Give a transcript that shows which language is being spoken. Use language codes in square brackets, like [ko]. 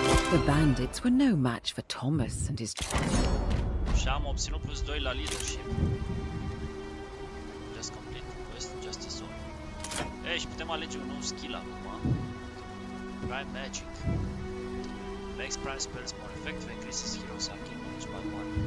[en] The bandits were no match for Thomas and his. [ro] Și am obținut plus 2 la leadership. [en] Just complete the quest in Justice Zone. [ro] Ei, și putem alege un nou skill acum. [en] Prime Magic. Makes prime spells more effective, increases hero's arcane damage by 1.